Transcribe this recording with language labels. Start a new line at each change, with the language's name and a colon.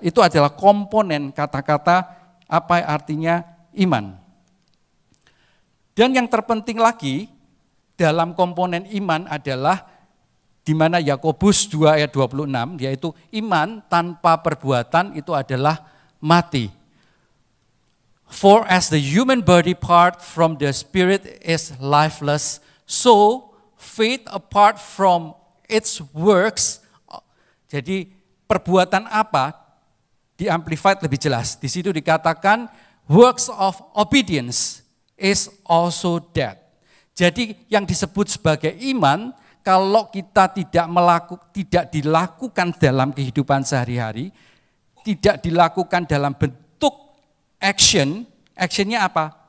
Indonesian: Itu adalah komponen kata-kata apa artinya iman. Dan yang terpenting lagi dalam komponen iman adalah di mana Yakobus 2 ayat 26, yaitu iman tanpa perbuatan itu adalah mati.
English: For as the human body part from the spirit is lifeless, so faith apart from its works.
Indonesian: Jadi perbuatan apa? Di Amplified lebih jelas. Di situ dikatakan
English: works of obedience is also dead.
Indonesian: Jadi yang disebut sebagai iman kalau kita tidak dilakukan dalam kehidupan sehari-hari, tidak dilakukan dalam bentuk action, actionnya apa?